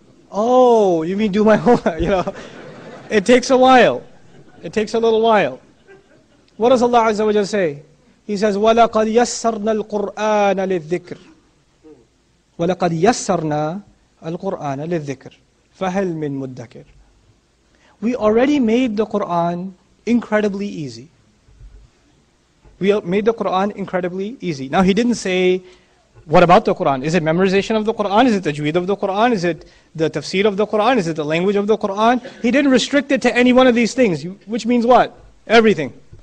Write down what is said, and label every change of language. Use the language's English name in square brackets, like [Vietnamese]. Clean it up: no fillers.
[English] Oh, you mean do my homework, you know. It takes a little while. What does Allah Azza wa Jalla say? He says, [Arabic] وَلَقَدْ يَسَّرْنَا الْقُرْآنَ لِلذِّكْرِ وَلَقَدْ يَسَّرْنَا الْقُرْآنَ لِلذِّكْرِ فَهَلْ مِن مُدَّكِرِ. [English] We already made the Qur'an incredibly easy. Now he didn't say, what about the Qur'an? Is it memorization of the Qur'an? Is it the tajweed of the Qur'an? Is it the tafsir of the Qur'an? Is it the language of the Qur'an? He didn't restrict it to any one of these things. Which means what? Everything.